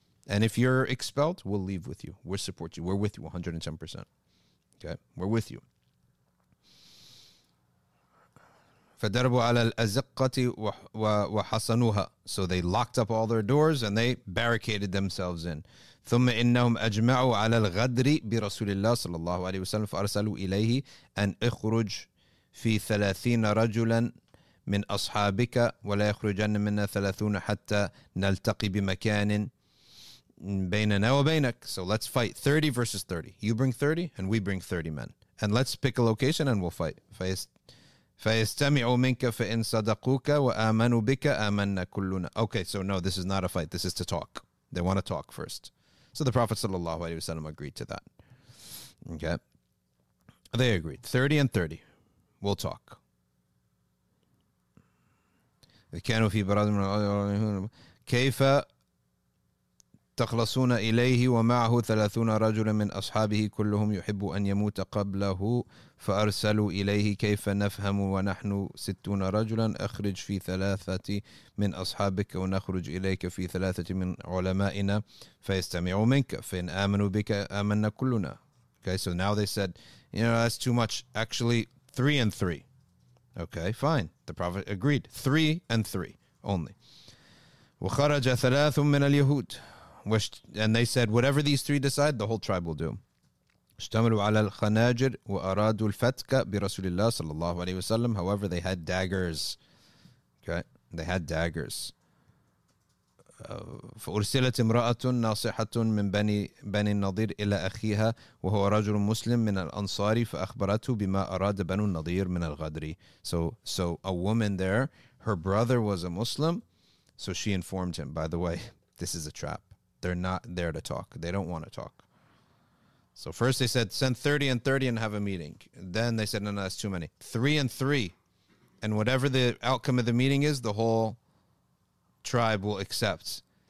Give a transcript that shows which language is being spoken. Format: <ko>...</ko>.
<en>And if you're expelled, we'll leave with you. We'll support you. We're with you 110%. Okay. We're with you.</en> <ar>فَدَرَبُوا عَلَى الْأَزِقَّةِ وَحَصَنُوهَا.</ar> <en>So they locked up all their doors and they barricaded themselves in.</en> <ar>ثُمَّ إِنَّهُمْ أَجْمَعُوا عَلَى الْغَدْرِ بِرَسُولِ اللَّهِ صَلَى اللَّهُ عَلَيْهِ وَسَلَّمَ فَأَرْسَلُوا إِلَيْهِ أَنْ اِخْرُجْ فِي 30 رَجُلًا مِنْ أَصْحَابِكَ وَلَا يَخْرُجَنَّ مِنَّا 30 حَتَّى نَلْتَقِي بِمَكَانٍ بَيْنَنَا وَبَيْنَكَ.</ar> <en>So let's fight 30 versus 30. You bring 30 and we bring 30 men. And let's pick a location and we'll fight.</en> <ar>فَيَسْتَمِعُوا مِنْكَ فَإِنْ صَدَقُوكَ وَآمَنُوا بِكَ آمَنَّا كُلُّنَا.</ar> <en>Okay, so no, this is not a fight. This is to talk. They want to talk first. So the Prophet sallallahu alaihi wasallam agreed to that. Okay. They agreed. 30 and 30. We'll talk.</en> <ar>كَانُوا فِي بَرَادٍ مِنْ كَيْفَ تَخْلَصُونَ إِلَيْهِ وَمَعَهُ 30 رَجُلًا مِنْ أَصْحَابِهِ كُلُّهُمْ يُحِبُّ أَنْ يَمُوتَ قَبْلَهُ فَأَرْسَلُوا إِلَيْهِ كَيْفَ نَفْهَمُ وَنَحْنُ 60 رَجُلًا أَخْرِجْ فِي 3 مِنْ أَصْحَابِكَ وَنَخْرُجْ إِلَيْكَ فِي 3 مِنْ عُلَمَائِنَا فَيَسْتَمِعُوا مِنْكَ فَإِنْ آمَنُوا بِكَ آمَنَّا كُلُّنَا.</ar> <en>Okay, so now they said, you know, that's too much. Actually, 3 and 3. Okay, fine. The Prophet agreed. 3 and 3 only.</en> <ar>وَخَرَجَ 3 مِنَ الْيَهُودِ.</ar> <en>Which, and they said, whatever these three decide, the whole tribe will do.</en> <ar>اشتملوا على الخناجر وأرادوا الفتك برسول الله صلى الله عليه وسلم.</ar> <en>However, they had daggers. Okay, they had daggers.</en> <ar>فأرسلت امرأة ناصحة من بني النضير إلى أخيها وهو رجل مسلم من الأنصار فأخبرته بما أراد بنو النضير من الغدري.</ar> <en>So a woman there, her brother was a Muslim, so she informed him, by the way, this is a trap. They're not there to talk. They don't want to talk. So first they said, send 30 and 30 and have a meeting. Then they said, no, that's too many. 3 and 3. And whatever the outcome of the meeting is, the whole tribe will accept.</en>